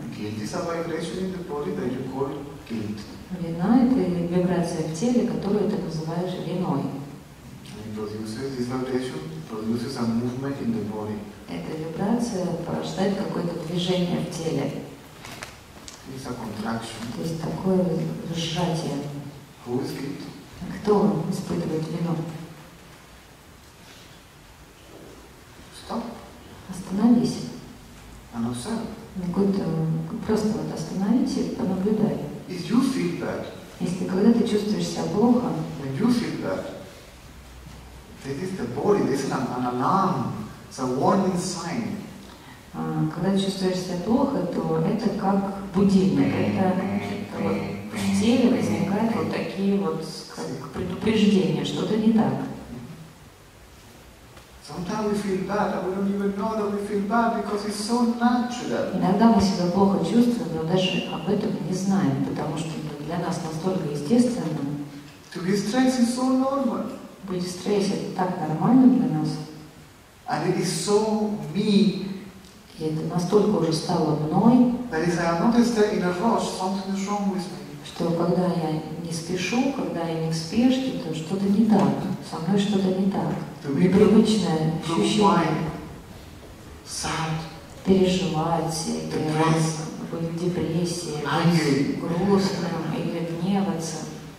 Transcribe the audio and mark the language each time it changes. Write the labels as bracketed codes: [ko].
[en] Guilt is a vibration in the body that you call guilt. [ru] Вина – это вибрация в теле, которую ты называешь виной. [en] This vibration produces a movement in the body. [ru] Эта вибрация порождает какое-то движение в теле. [en] It's a contraction. [ru] То есть такое сжатие. [en] Who is guilt? [ru] Кто испытывает вину? [en] Stop. [ru] Остановись. [en] And observe. [ru] Просто вот остановись и понаблюдай. [en] If you feel bad, [ru] если когда ты чувствуешь себя плохо, [en] when you feel bad, this is the body, this is an alarm, it's a warning sign. [ru] Когда чувствуешь себя плохо, то это как будильник, это вот в теле возникают вот такие вот как предупреждения, что-то не так. [en] Sometimes we feel bad, and we don't even know that we feel bad because it's so natural. [ru] Иногда мы себя плохо чувствуем, но даже об этом не знаем, потому что для нас настолько естественно. [en] To be stressed is so normal. [ru] Быть в стрессе – это так нормально для нас. [en] And it is so me. [ru] И это настолько уже стало мной. [en] That is, I noticed that in a rush, something is wrong with me. [ru] Что когда я не спешу, когда я не в спешке, то что-то не так. Со мной что-то не так. Непривычное ощущение. [en] Sad. [ru] Переживать, быть в депрессии, быть грустным или гневаться.